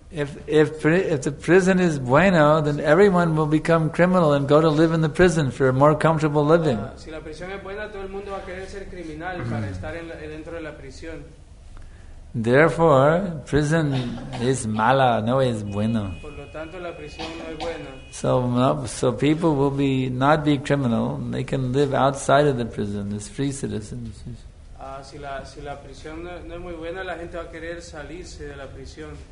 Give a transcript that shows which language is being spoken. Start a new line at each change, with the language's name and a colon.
English: If the prison is bueno, then everyone will become criminal and go to live in the prison for a more comfortable living.
Spanish: Si la prisión es buena, todo el mundo va a querer ser criminal para estar dentro de la prisión.
English: Therefore, prison is
Spanish: mala, no es bueno. Por lo tanto, la prisión no es buena.
English: So people will not be criminal. They can live outside of the prison as free citizens.
Spanish: Si la prisión no es muy buena, la gente va a querer salirse de la prisión.